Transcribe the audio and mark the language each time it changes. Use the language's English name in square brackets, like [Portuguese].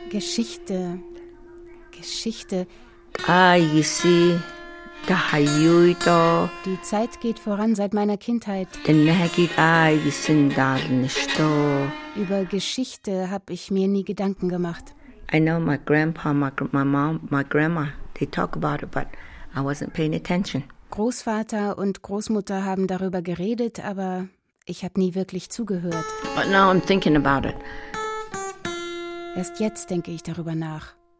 [German] Geschichte. Geschichte. Ayisi. Kahayuito. Die Zeit geht voran seit meiner Kindheit. Über Geschichte habe ich mir nie Gedanken gemacht. [English] I know my grandpa, my mom, my grandma, they talk about it, but I wasn't paying attention. [German] Großvater und Großmutter haben darüber geredet, aber ich habe nie wirklich zugehört. [English] But now I'm thinking about it. [German] Erst jetzt denke ich darüber nach.